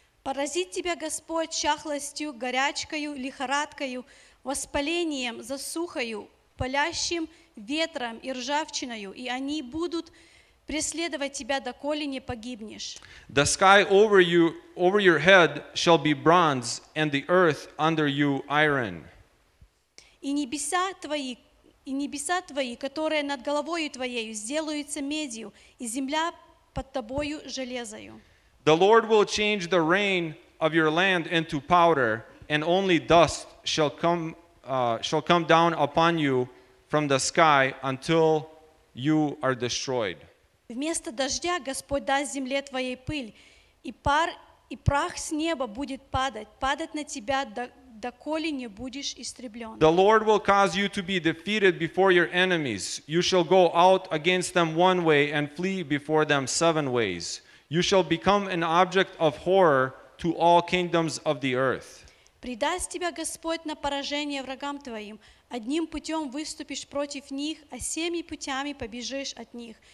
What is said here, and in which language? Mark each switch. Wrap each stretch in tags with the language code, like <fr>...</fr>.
<ru>Поразит тебя Господь чахлостью, горячкою, лихорадкою, воспалением, засухою, палящим ветром и ржавчиною, и они будут преследовать тебя, доколе не погибнешь.</ru> <en>The sky over your head shall be bronze, and the earth under you iron.</en> <ru>И небеса твои, которые над головою твоею, сделаются медью, и земля под тобою железою.</ru> <en>The Lord will change the rain of your land into powder, and only dust shall come down upon you from the sky until you are destroyed.</en> <ru>Вместо дождя Господь даст земле твоей пыль, и пар и прах с неба будет падать на тебя, доколе не будешь истреблен.</ru> <en>The Lord will cause you to be defeated before your enemies. You shall go out against them one way and flee before them seven ways. You shall become an object of horror to all kingdoms of the earth.</en> <ru>Предаст тебя Господь на поражение врагам твоим. Одним путем выступишь против них, а семи путями побежишь от них.</ru>